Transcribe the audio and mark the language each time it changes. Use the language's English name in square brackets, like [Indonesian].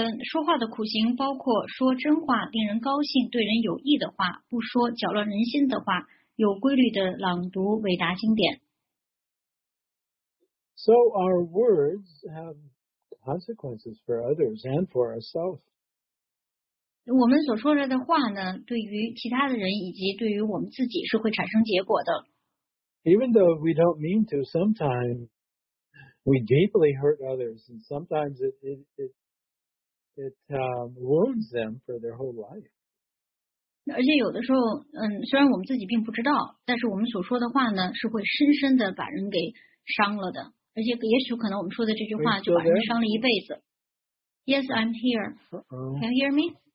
[Chinese] 说话的苦行包括说真话令人高兴对人有益的话不说搅乱人心的话有规律的朗读伟达经典。 [English] So our words have consequences for others and for ourselves. [Chinese] 我们所说的话呢对于其他的人以及对于我们自己是会产生结果的。 [English] Even though we don't mean to, sometimes we deeply hurt others and sometimes it wounds them for their whole life. [Chinese] 而且有的时候虽然我们自己并不知道但是我们所说的话呢是会深深的把人给伤了的。而且也许可能我们说的这句话就把人伤了一辈子。 [English] Yes, I'm here. Can you hear me?